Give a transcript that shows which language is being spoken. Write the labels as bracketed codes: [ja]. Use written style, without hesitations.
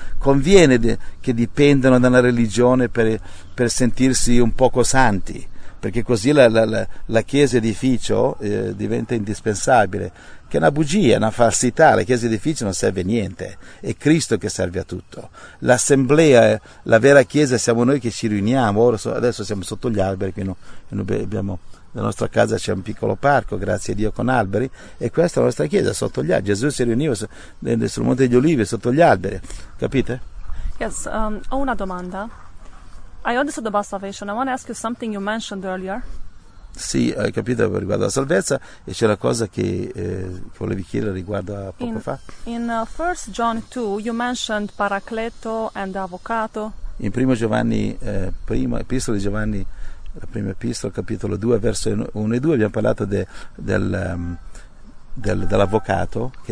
[it] Conviene che dipendano da una religione per sentirsi un poco santi, perché così la chiesa edificio diventa indispensabile, che è una bugia, una falsità, la chiesa edificio non serve a niente, è Cristo che serve a tutto, l'assemblea, la vera chiesa siamo noi che ci riuniamo, ora adesso siamo sotto gli alberi, quindi nella nostra casa c'è un piccolo parco, grazie a Dio con alberi, e questa è la nostra chiesa, sotto gli alberi, Gesù si riuniva sul Monte degli Olivi, sotto gli alberi, capite? [en] Yes, [it] ho una domanda. [en] I understood about salvation. I want to ask you something you mentioned earlier. [it] Sì, hai capito riguardo alla salvezza e c'è la cosa che volevi chiedere riguardo a poco fa. [en] In 1 John 2 you mentioned paracleto and avvocato. [it] In primo Giovanni, prima epistola di Giovanni, la prima epistola, capitolo 2, verso 1 e 2, abbiamo parlato dell'avvocato, che